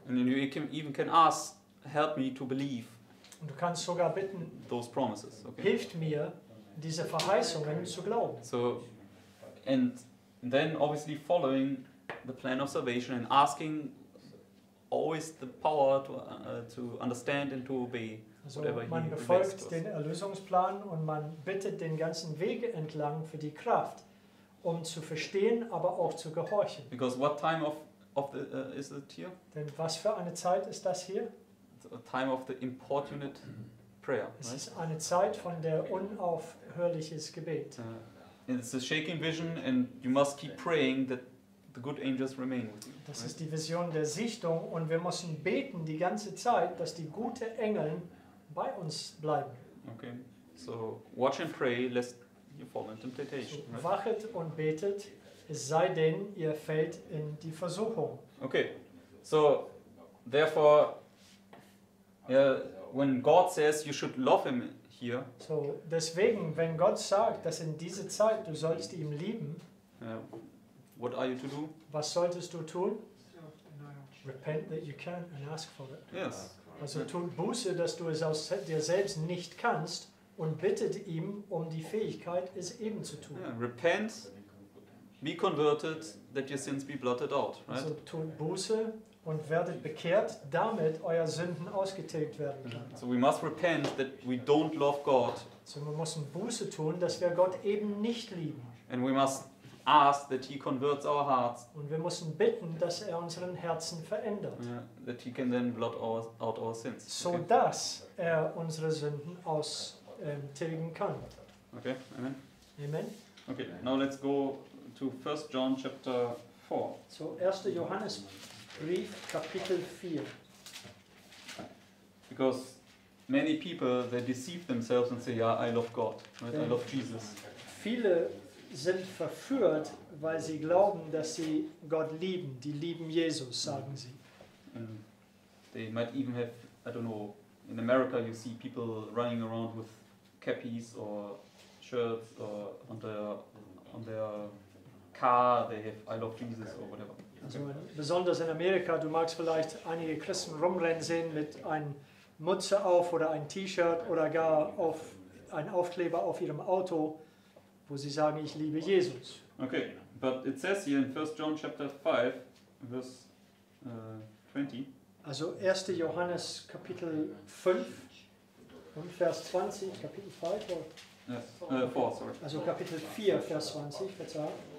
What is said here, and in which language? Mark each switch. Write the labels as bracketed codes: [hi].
[en] And you can even can ask, help me to believe. [de] Und du kannst sogar bitten, [en] those promises, okay. [de] Hilft mir, diese Verheißungen zu glauben. [en] So, and then obviously following the plan of salvation and asking always the power to understand and to obey. [de] Also man befolgt den Erlösungsplan und man bittet den ganzen Weg entlang für die Kraft, um zu verstehen, aber auch zu gehorchen. [en] Because what time of the is it here? [de] Denn was für eine Zeit ist das hier? [en] A time of the importunate prayer. [de] Es [en] right? [de] ist eine Zeit von der unaufhörliches Gebet. [en] It's a shaking vision, and you must keep praying that the good angels remain with you. [de] Das ist die Vision der Sichtung, und wir müssen beten die ganze Zeit, dass die guten Engel bei uns bleiben. [en] Okay, so watch and pray, lest you fall into temptation. [de] So, wachet und betet, es sei denn, ihr fällt in die Versuchung. [en] Okay, so therefore, when God says you should love him here. [de] So deswegen, wenn Gott sagt, dass in dieser Zeit du sollst ihn lieben. [en] What are you to do? [de] Was solltest du tun? [en] Repent that you can and ask for it. Yes. [de] Also tun Buße, dass du es aus dir selbst nicht kannst, und bittet ihm um die Fähigkeit, es eben zu tun. [en] Yeah, repent, be converted, that your sins be blotted out. Right? [de] Also tun Buße und werdet bekehrt, damit euer Sünden ausgetilgt werden kann. [en] So we must repent that we don't love God. [de] So wir müssen Buße tun, dass wir Gott eben nicht lieben. [en] And we must ask that he converts our hearts. [de] Und wir müssen bitten, dass er unseren Herzen verändert. [en] Yeah, that he can then blot out our sins. [de] So okay. dass er unsere Sünden austilgen kann. [en] Okay, amen. [de] Amen. [en] Okay, now let's go to 1 John chapter 4. [de] So 1. Johannes Brief Kapitel 4. [en] Because many people, they deceive themselves and say, yeah, I love God, right? I love Jesus. [de] Viele sind verführt, weil sie glauben, dass sie Gott lieben. Die lieben Jesus, sagen sie. [en] They might even have, I don't know, in America you see people running around with cappies or shirts or on their car they have I love Jesus or whatever. [de] Also, besonders in Amerika, du magst vielleicht einige Christen rumrennen sehen mit einer Mütze auf oder ein T-Shirt oder gar auf ein Aufkleber auf ihrem Auto, wo sie sagen, ich liebe Jesus. [en] Okay, but it says here in 1 John chapter 5, verse 20. [de] Also 1. Johannes Kapitel 5 und Vers 20, Kapitel 5 oder? [en] Yes. 4, sorry. [de] Also Kapitel 4, Vers 20, verzeihung.